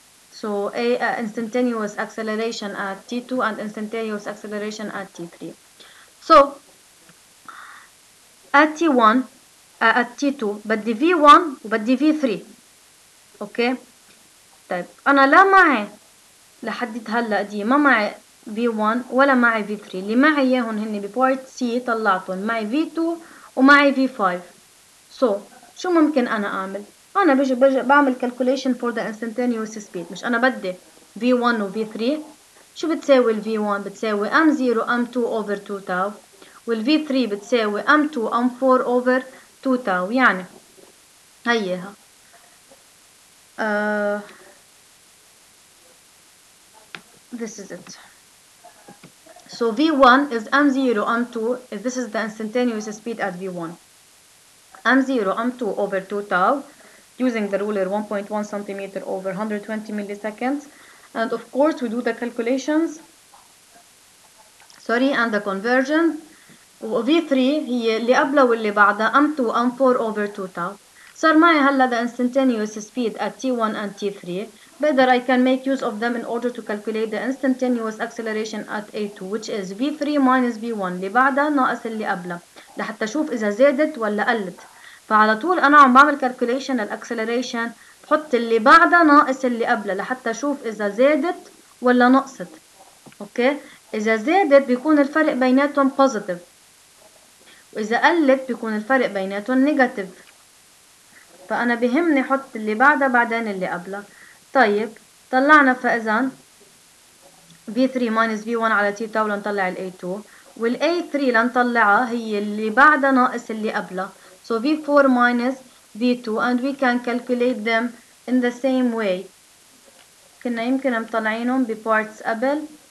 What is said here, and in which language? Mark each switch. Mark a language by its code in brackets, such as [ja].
[en] So a instantaneous acceleration at t2 and instantaneous acceleration at t3. So at t1 at t2 [ar] بدي [en] v1 [ar] وبدي [en] v3. [ar] اوكي طيب انا لا معي لحدد هلا دي ما معي v1 ولا معي v3. اللي معي اياهم هن ببارت c طلعتهم معي v2 ومعي v5. So شو ممكن انا اعمل؟ انا بجي بعمل [en] calculation for the instantaneous speed. [ar] مش انا بدي v1 و v3. شو بتساوي ال v1؟ بتساوي m0 m2 over 2 tau. وال v3 بتساوي m2 m4 over 2 tau. يعني هيها [en] this is it. So v1 is m0 m2. This is the instantaneous speed at v1. m0 m2 over 2 tau using the ruler 1.1 centimeter over 120 milliseconds. And of course we do the calculations. Sorry, and the conversion. [ar] V3 هي اللي قبله واللي بعده m2 m4 over 2 tau. صار معي هلا [en] the instantaneous speed at t1 and t3. Better I can make use of them in order to calculate the instantaneous acceleration at a2, which is v3 minus v1 [ar] اللي بعدها ناقص اللي قبله لحتى اشوف اذا زادت ولا قلت. فعلى طول انا عم بعمل calculation acceleration بحط اللي بعدها ناقص اللي قبله لحتى اشوف اذا زادت ولا نقصت. اوكي اذا زادت بيكون الفرق بيناتهم positive، واذا قلت بيكون الفرق بيناتهم negative. فأنا بهمني حط اللي بعدها بعدين اللي قبله. طيب طلعنا فإذا [en] v3 minus v1 [ar] على t tau لنطلع ال a2، وال a3 لنطلعها هي اللي بعدها ناقص اللي قبله. [en] So v4 minus v2 and we can calculate them in the same way. [ar] كنا يمكن مطلعينهم بparts قبل.